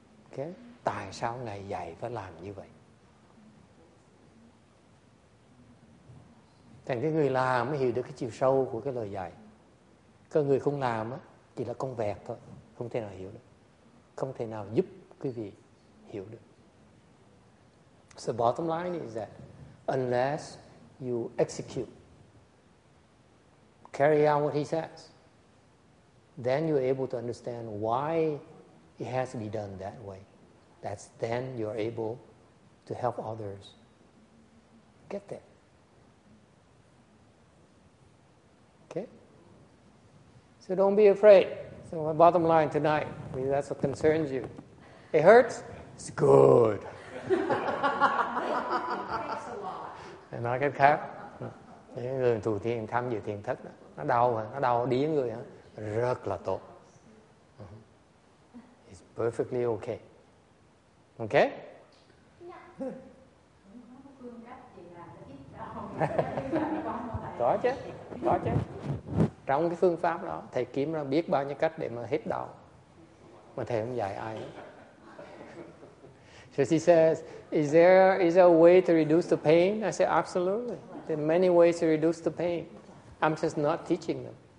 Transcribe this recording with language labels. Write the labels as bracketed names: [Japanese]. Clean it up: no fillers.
[Vietnamese] Okay, tại sao Ngài dạy phải làm như vậy? Thành cái người làm mới hiểu được cái chiều sâu của cái lời dạy. Còn người không làm á chỉ là con vẹt thôi, không thể nào hiểu được. không thể nào giúp quý vị hiểu được. [English] So bottom line is that unless you execute, carry out what he says, then you're able to understand why it has to be done that way. That's then you're able to help others get there. Okay? So don't be afraid. So my bottom line tonight, I mean, that's what concerns you. It hurts? It's good. Thanks a lot. [Vietnamese] Nói cách khác, những người thủ thiền tham dự thiền thất đó, nó đau điên người hả? Rất là tốt. [English] It's perfectly okay. Okay? [Vietnamese] Có chứ, có chứ. Trong cái phương pháp đó, thầy kiếm ra biết bao nhiêu cách để mà hết đau, mà thầy không dạy ai. [English] So she says, is there a way to reduce the pain? I said, absolutely. There are many ways to reduce the pain. I'm just not teaching them.